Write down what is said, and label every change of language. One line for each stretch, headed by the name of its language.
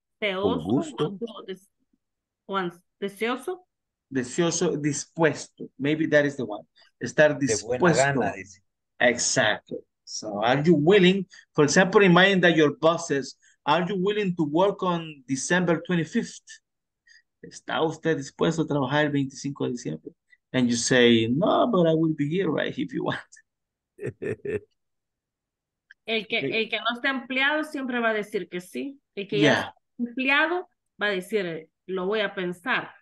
Spanish: Deseoso, deseoso, dispuesto.
English: Maybe that is the one.
Spanish: Estar dispuesto. De buena gana, dice.
English: Exactly. So, are you willing? For example, imagine that your boss says, "Are you willing to work on December 25th?
Spanish: ¿Está usted dispuesto a trabajar el 25 de diciembre?"
English: And you say, "No, but I will be here, right? If you want."
Spanish: El que no está empleado siempre va a decir que sí. El que yeah. Ya está empleado va a decir, lo voy a pensar.